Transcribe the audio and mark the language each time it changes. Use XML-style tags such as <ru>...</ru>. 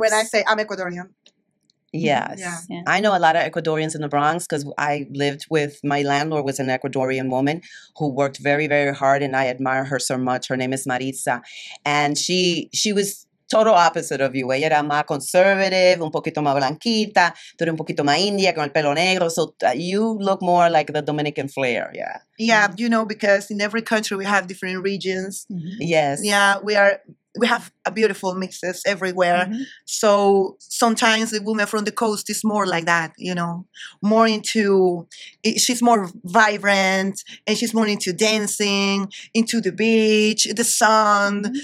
<en>When I say I'm Ecuadorian. Yes. Yeah. I know a lot of Ecuadorians in the Bronx because I lived with my landlord was an Ecuadorian woman who worked very, very hard. And I admire her so much. Her name is Maritza. And she was total opposite of you.</en> <es>Ella era más conservative, un poquito más blanquita, tú eres un poquito más india, con el pelo negro.</es> <en>So you look more like the Dominican flair. Yeah. Yeah. You know, because in every country we have different regions. Yes. Yeah. We are we have a beautiful mixes everywhere. Mm-hmm. So sometimes the woman from the coast is more like that, you know, more into, she's more vibrant and she's more into dancing, into the beach, the sun. Mm-hmm.</en>